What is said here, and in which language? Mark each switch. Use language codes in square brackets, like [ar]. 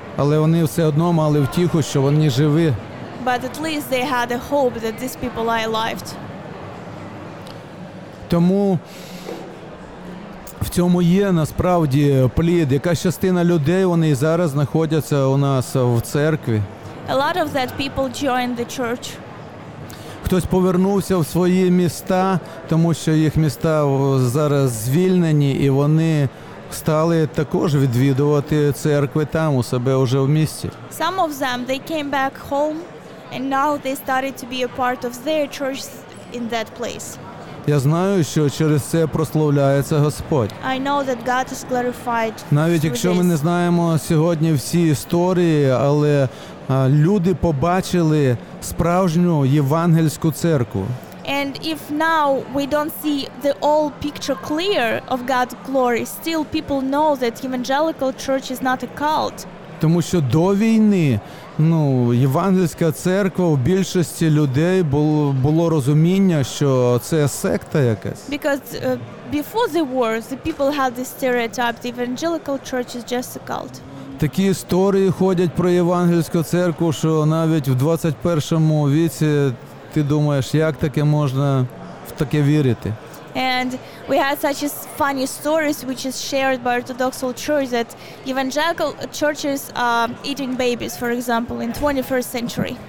[uk] Але вони все одно мали втіху, що вони живі. [en] But at least they had a hope that these people are alive. [uk] Тому в цьому є насправді плід. Якась частина людей, вони і зараз знаходяться у нас в церкві. [en] A lot of that people joined the church. [uk] Хтось повернувся в свої міста, тому що їх міста зараз звільнені, і вони стали також відвідувати церкви там, у себе вже в місті. [en] Some of them, they came back home, and now they started to be a part of their church in that place. [uk] Я знаю, що через це прославляється Господь. [en] I know that God is glorified. [uk] Навіть якщо ми не знаємо сьогодні всі історії, але люди побачили справжню євангельську церкву. [en] And if now we don't see the whole picture clear of God's glory, still people know that evangelical church is not a cult. [uk] Тому що до війни, ну, євангельська церква у більшості людей було розуміння, що це секта якась. [en] Because before the war, the people had this stereotype, the evangelical church is just a cult. [uk] Такі історії ходять про євангельську церкву, що навіть в 21-му віці ти думаєш, як таке можна в таке вірити. [en] And we had such a funny stories which is shared by Orthodox church that evangelical churches are eating babies, for example, in 21st century.